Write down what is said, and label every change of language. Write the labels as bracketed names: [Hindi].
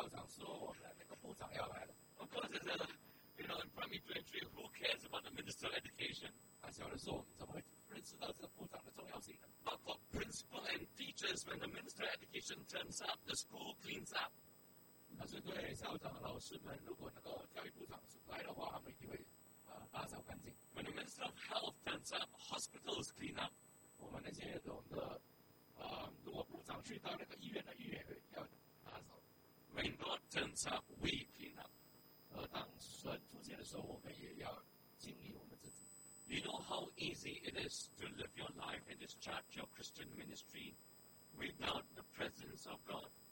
[English] Of course, in primary 2 and 3, who cares about the minister of education? But for principal and teachers, when the minister of education turns up, the school cleans up. [Chinese] 但是对校长和老师们，如果那个教育部长来的话，他们一定会打扫干净。 [English] When the minister of health turns up, hospitals clean up. [Chinese] 我们那些我们的，如果部长去到那个医院的医院会要打扫。 [English] When God turns up, we clean up. [Chinese] 而当神出现的时候，我们也要清理我们自己。 [English] You know how easy it is to live your life and discharge your Christian ministry without the presence of God.